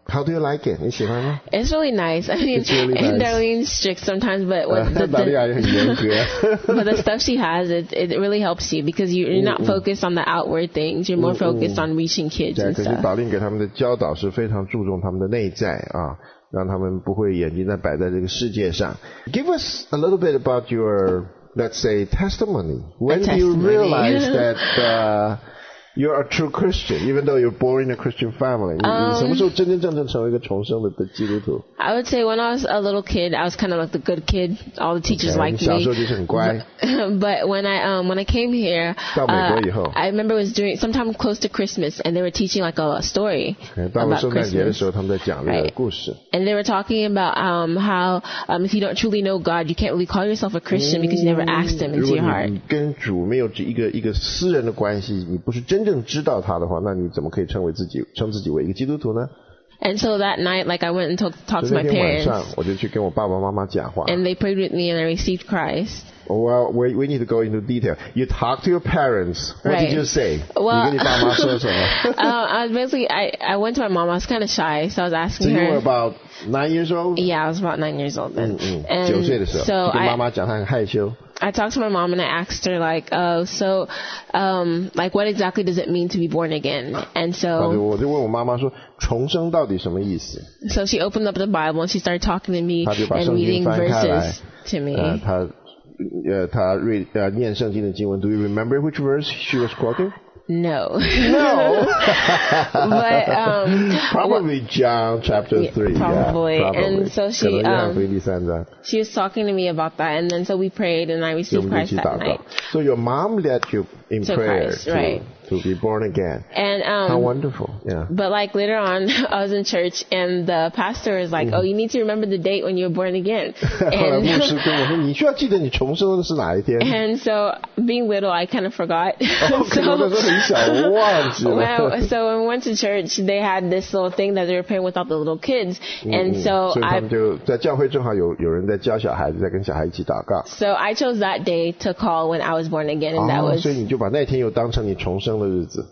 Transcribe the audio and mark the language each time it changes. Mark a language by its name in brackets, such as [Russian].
[English] How do you like it? [Chinese] 你喜欢吗？ [English] It's really nice. I mean, and Darlene's strict sometimes, but what the stuff she has, it really helps you, because you're not focused on the outward things. You're more focused on reaching kids and stuff. [Chinese] 可是导令给他们的教导是非常注重他们的内在啊，让他们不会眼睛在摆在这个世界上。 [English] Give us a little bit about your, let's say, testimony. When do you realize that you're a true Christian, even though you're born in a Christian family? [Chinese] 你什么时候真真正正成为一个重生的基督徒？ [English] I would say when I was a little kid, I was kind of like the good kid. All the teachers okay, liked me. [Chinese] 小时候就是很乖。 [English] But when I came here, [Chinese] 到美国以后， [English] I remember it was during sometime close to Christmas, and they were teaching like a story okay, about Christmas. [Chinese] 到圣诞节的时候，他们在讲这个故事。 [English] Right. And they were talking about how if you don't truly know God, you can't really call yourself a Christian because you never asked Him into your heart. [Chinese] 如果你跟主没有一个私人的关系，你不是真正知道他的话，那你怎么可以称自己为一个基督徒呢？ [English] And so that night, like, I went and talked to my parents. [Chinese] 那天晚上我就去跟我爸爸妈妈讲话。 [English] And they prayed with me and I received Christ. Well, we need to go into detail. You talked to your parents. What right. did you say? Well, [Chinese] 你跟你爸妈说什么？ [English] I went to my mom. I was kind of shy, so I was asking her. So you were about 9 years old? Yeah, I was about 9 years old then. [Chinese] 九岁的时候， [English] so、 [Chinese] 跟妈妈讲，她很害羞。 [English] I talked to my mom and I asked her like, oh, so, like, what exactly does it mean to be born again? And so, [Chinese] 我就问我妈妈说，重生到底什么意思？ [English] So she opened up the Bible and she started talking to me and reading verses to me. [Chinese] 她念圣经的经文。 [English] Do you remember which verse she was quoting? No. No. But, probably John chapter 3. Yeah, probably. And so she, she was talking to me about that. And then so we prayed and I received Christ that night. So your mom led you in to prayer Christ, right. to be born again. And, how wonderful. Yeah. But like later on, I was in church and the pastor was like, oh, you need to remember the date when you were born again. And so being little, I kind of forgot. So when we went to church, they had this little thing that they were playing with all the little kids. And so I chose that day to call when I was born again. And that was. [Chinese] 所以你就把那天又当成你重生的日子。